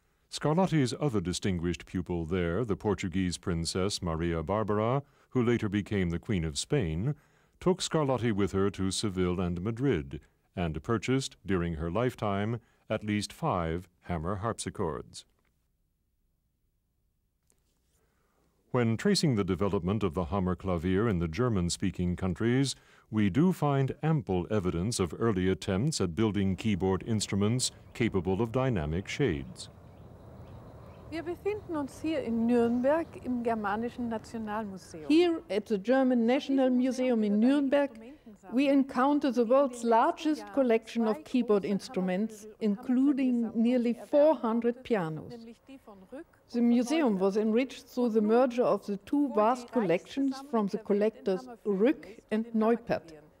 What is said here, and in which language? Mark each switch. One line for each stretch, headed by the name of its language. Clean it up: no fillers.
English: Scarlatti's other distinguished pupil there, the Portuguese princess Maria Barbara, who later became the Queen of Spain, took Scarlatti with her to Seville and Madrid, and purchased, during her lifetime, at least five hammer harpsichords. When tracing the development of the Hammerklavier in the German-speaking countries, we do find ample evidence of early attempts at building keyboard instruments capable of dynamic shades.
German: Wir befinden uns hier in Nürnberg im Germanischen Nationalmuseum.
English: Here at the German National Museum in Nürnberg, we encounter the world's largest collection of keyboard instruments, including nearly 400 pianos. The museum was enriched through the merger of the two vast collections from the collectors Rück and Neupert.